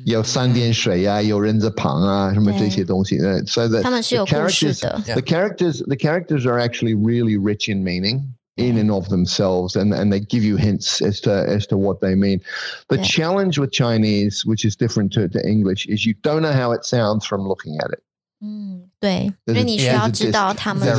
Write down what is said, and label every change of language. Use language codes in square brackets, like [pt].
[zh] 有三点水啊，有人字旁啊，什么这些东西。对，所以他们是有故事的。 [en] The characters are actually really rich in meaning in and of themselves, and they give you hints as to what they mean. The challenge with Chinese, which is different to English, is you don't know how it sounds from looking at it. [zh] 对，因为你需要知道他们的。